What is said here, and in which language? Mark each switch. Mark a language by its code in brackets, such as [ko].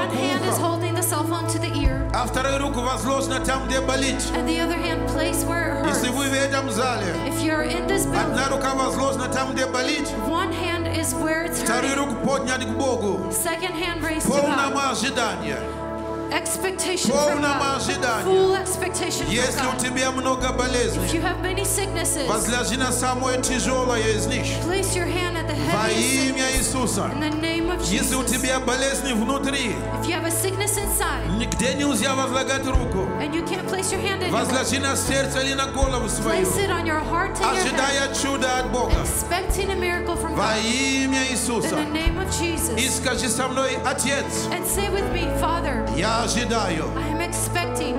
[en] One hand is holding the cell phone to the ear. [ru] А вторая рука возложена там, где болит. [en] And the other hand place where it hurts. [ru] Если вы в этом зале. [en] If you're in this building. [ru] Одна рука возложена там, где болит. [en] One hand is where it's hurting. [ru] Вторую руку поднять к Богу. [en] Second hand raised to God. [ru] Полного ожидания. [en] Expectation from God. Full expectation from God. [ru] Если у тебя много болезней, [en] if you have many sicknesses, [ru] возложи на самое тяжелое из них. [en] Place your hand at the heaviest [ru] Иисуса, [en] in the name of Jesus. [ru] Если у тебя болезни внутри, [en] if you have a sickness inside, [ru] нигде нельзя возлагать руку, [en] and you can't place your hand anywhere, [ru] возложи на сердце или на голову свою, [en] place it on your heart to your head, [ru] ожидая чудо от Бога, [en] expecting a miracle from God. [ru] Во имя Иисуса, [en] in the name of Jesus. [ru] И скажи со мной, Отец, [en] and say with me, Father, I am expecting